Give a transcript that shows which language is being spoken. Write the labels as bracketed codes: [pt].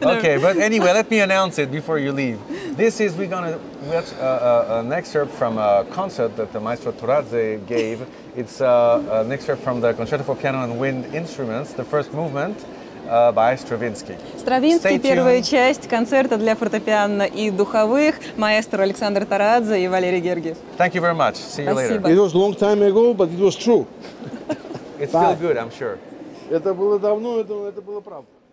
[en] Okay, but anyway, let me announce it before you leave. This is an excerpt from a concert that the Maestro Toradze gave. It's an excerpt from the Concerto for Piano and Wind Instruments, the first movement by Stravinsky. [ru] Stravinsky, первая часть концерта для фортепиано и духовых, маэстро Александр Тарадзе и Валерий Гергиев. [en] Thank you very much. See you later. It was a long time ago, but it was true. It's still good, I'm sure. [ru] Это было давно, это было правда.